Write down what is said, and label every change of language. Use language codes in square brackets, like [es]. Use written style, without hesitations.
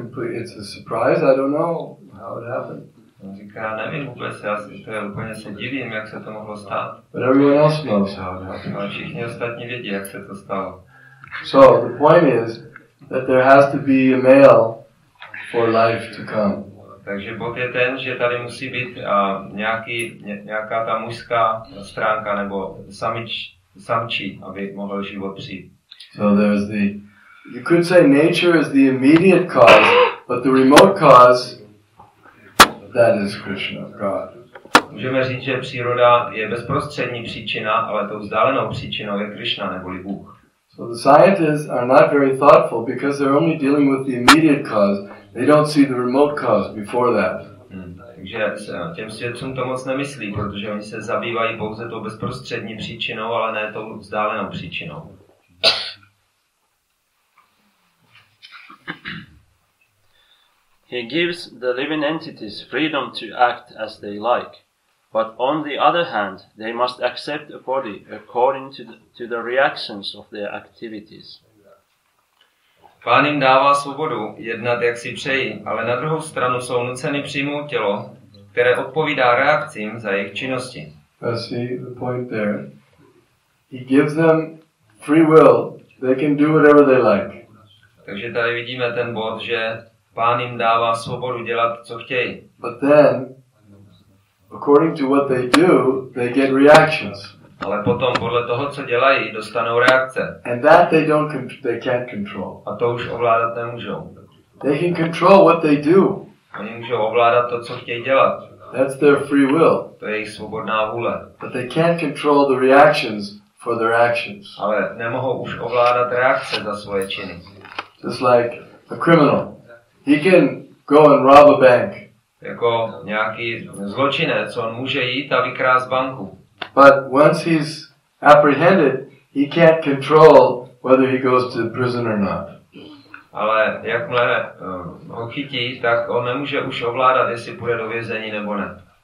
[en] It's a surprise, I don't know how it happened. [cs] On říká, já nevím vůbec, já si to úplně se divím, jak se to mohlo stát. [en] But everyone else knows how to happen. [cs] Ale všichni ostatní vědí, jak se to stalo. [en] So the point is that there has to be a male for life to come. [cs] Takže bod je ten, že tady musí být nějaká ta mužská stránka nebo samčí, aby mohl život přijít. [en] So there's the, you could say nature is the immediate cause, but the remote cause, that is Krishna, God. [cs] Můžeme říct, že příroda je bezprostřední příčina, ale tou vzdálenou příčinou je Krishna neboli Bůh. [en] So the scientists are not very thoughtful because they're only dealing with the immediate cause. They don't see the remote cause before that. [cs] Takže těm svědcům to moc nemyslí, protože oni se zabývají pouze tou bezprostřední příčinou, ale ne tou vzdálenou příčinou. [en] He gives the living entities freedom to act as they like. But on the other hand, they must accept a body according to the reactions of their activities. [cs] Pán jim dává svobodu jednat, jak si přejí, ale na druhou stranu jsou nuceni přijmout tělo, které odpovídá reakcím za jejich činnosti. [en] See the point there. He gives them free will. They can do whatever they like. [cs] Takže tady vidíme ten bod, že Pán jim dává svobodu dělat, co chtějí. [en] But then, according to what they do, they get reactions. [cs] Ale potom podle toho, co dělají, dostanou reakce. [en] And that they don't they can't control. [cs] A to už ovládat nemůžou. [en] They can control what they do. [cs] Oni můžou ovládat to, co chtějí dělat. [en] That's their free will. [cs] To je jejich svobodná vůle. [en] But they can't control the reactions for their actions. [cs] Ale nemohou už ovládat reakce za svoje činy. [en] Just like a criminal. He can go and rob a bank. [cs] Jako nějaký zločinec, on může jít a vykrást banku. [en] But once he's apprehended, he can't control whether he goes to prison or not. Ale jakmile ho chytí, tak on nemůže už ovládat, jestli půjde do vězení nebo ne.